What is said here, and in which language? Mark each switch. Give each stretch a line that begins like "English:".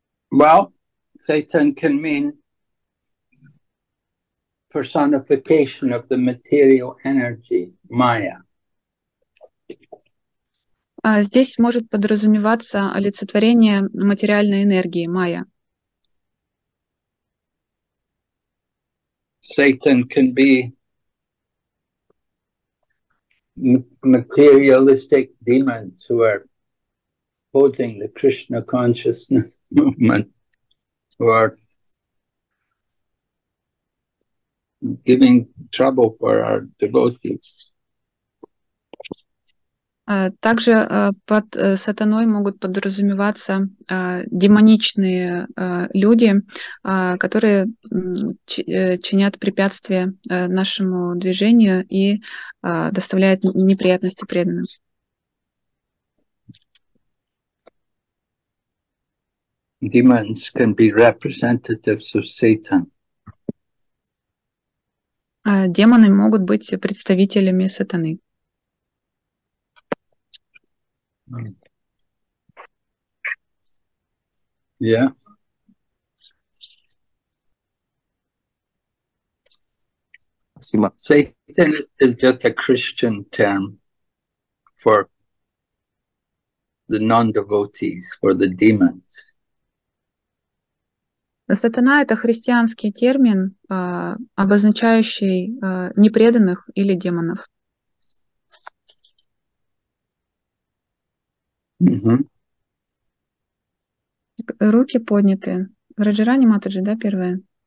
English: Well, Satan can mean personification of the material energy, Maya.
Russian: Здесь может подразумеваться олицетворение материальной энергии, Maya.
English: Satan can be materialistic demons who are opposing the Krishna consciousness movement, who are giving trouble for our devotees.
Russian: Также под сатаной могут подразумеваться демоничные люди, которые чинят препятствия нашему движению и доставляют неприятности преданным.
English: Demons can be representatives of Satan.
Russian: Демоны могут быть представителями сатаны.
English: Yeah. Satan is just a Christian term for the non-devotees, for the demons.
Russian: Сатана — это христианский термин, обозначающий непреданных или демонов. Руки подняты. Раджарани Матаджи, да, первая?